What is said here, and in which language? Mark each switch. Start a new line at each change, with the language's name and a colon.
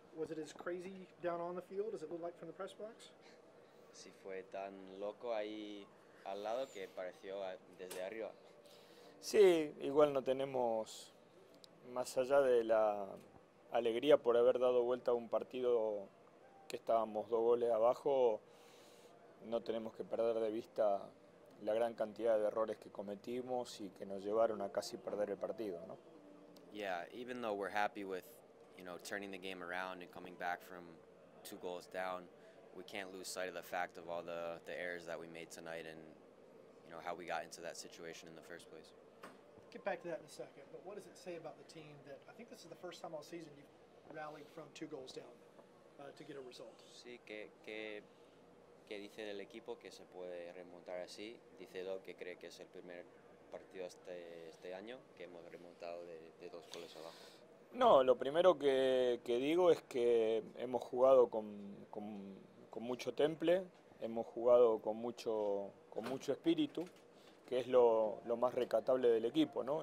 English: it as crazy down on the field as it looked like from the press box?
Spanish: Sí, fue tan loco ahí al lado que pareció desde arriba. Sí, igual no tenemos, más allá de la alegría por haber dado vuelta a un partido que estábamos 2 goles abajo, no tenemos que perder de vista la gran cantidad de errores que cometimos y que nos llevaron a casi perder el partido, ¿no?
English: Yeah, even though we're happy with, you know, turning the game around and coming back from 2 goals down, we can't lose sight of the fact of all the errors that we made tonight and, you know, how we got into that situation in the first place. Get back to that in a second, but what does it say about the team that, I think this is the first time all season you've rallied from 2 goals down to get a result?
Spanish: Sí, que dice del equipo que se puede remontar así. Dice Doc que cree que es el primer partido este año que hemos remontado de 2 goles abajo. No, lo primero que digo es que hemos jugado con mucho temple, hemos jugado con mucho espíritu, que es lo más rescatable del equipo, ¿no?